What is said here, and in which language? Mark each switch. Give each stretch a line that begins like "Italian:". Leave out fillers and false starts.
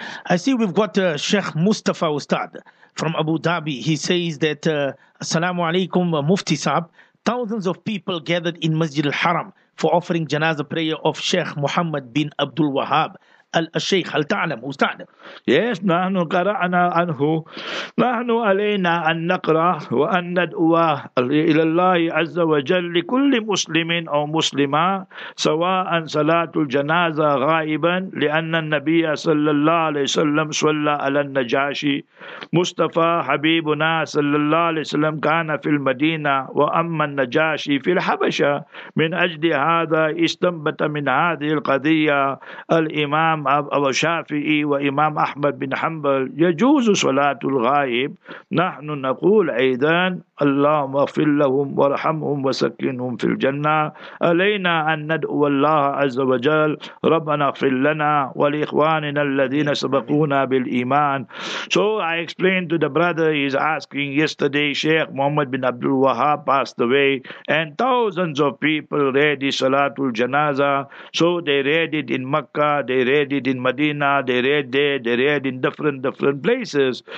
English: I see we've got Sheikh Mustafa Ustad from Abu Dhabi. He says that Assalamu Alaikum Mufti Saab, thousands of people gathered in Masjid al-Haram for offering janazah prayer of Sheikh Muhammad bin Abdul Wahhab
Arabic: الشيخ هل تعلم أستاذ؟ yes نحن قرأنا عنه نحن علينا أن نقرأ وأن ندعو إلى الله عز وجل لكل مسلم أو مسلمة سواء صلاة الجنازة غائبا لأن النبي صلى الله عليه وسلم صلى على النجاشي مصطفى حبيبنا صلى الله عليه وسلم كان في المدينة وأما النجاشي في الحبشة من أجل هذا استنبت من هذه القضية الإمام أبو شافعي وإمام أحمد بن حنبل يجوز صلاة الغائب نحن نقول أيضا اللهم اغفر لهم وارحمهم وسكنهم في الجنة علينا أن ندعو الله عز وجل ربنا اغفر لنا ولإخواننا الذين سبقونا بالإيمان.
English: So I explained to the brother, he's asking, yesterday Sheikh Muhammad bin Abdul Wahhab passed away and thousands of people ready Salatul Janaza. So they read it in Mecca, they read it in Medina, they read there, they read in different places.